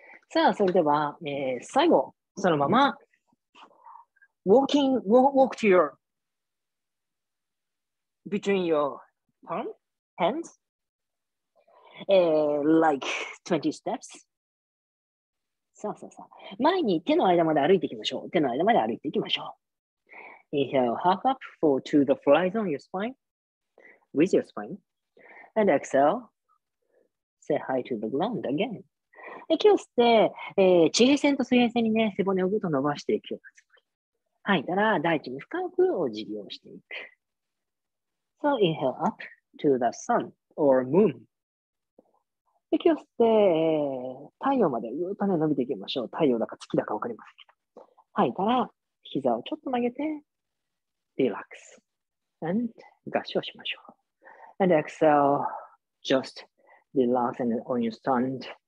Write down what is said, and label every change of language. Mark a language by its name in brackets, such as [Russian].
[Japanese] さあ、それでは、最後、そのまま、 [English] walk to your, between your,Hands, like 20 steps. [Japanese] そうそうそう。前に手の間まで歩いていきましょう。手の間まで歩いていきましょう。 [English] Inhale, half up, fall to the flies on your spine, with your spine. And exhale, say hi to the ground again. [Japanese] 息を吸って、地平線と水平線にね、背骨をぐっと伸ばしていくような。吐いたら、大地に深くお辞儀をしていく。 [English] So, inhale up. To the sun or moon. [Japanese] 息を吸って、太陽までぐっとね伸びていきましょう。太陽だか月だかわかりませんけど。吐いたら膝をちょっと曲げて、リラックス。 And 合掌しましょう。 [English] And exhale, just relax and on your stand.